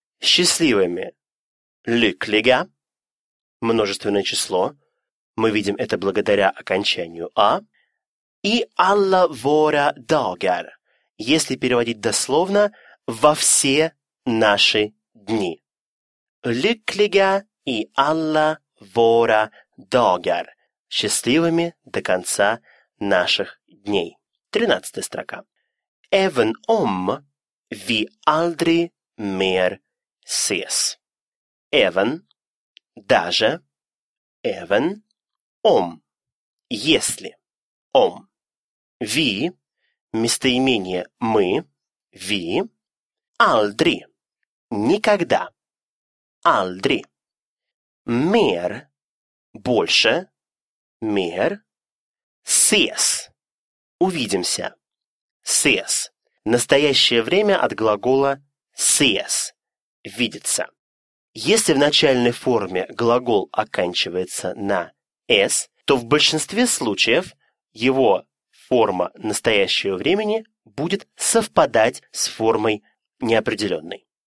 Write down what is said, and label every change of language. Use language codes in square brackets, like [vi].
[ru] Счастливыми. Lyckliga. Множественное число. Мы видим это благодаря окончанию «а». [sv] И «alla våra dagar». [ru] Если переводить дословно, «во все наши дни». [sv] Lyckliga и «alla våra dagar». [ru] Счастливыми до конца наших дней. 13 строка. [sv] Även om vi aldrig mer ses. Även, даже, även, om, если, om. Vi, местоимение мы, vi, aldrig, никогда, aldrig. Mer, больше, mer, ses. [ru] Увидимся. Сес. Настоящее время от глагола сес. Видеться. Если в начальной форме глагол оканчивается на с, то в большинстве случаев его форма настоящего времени будет совпадать с формой неопределенной.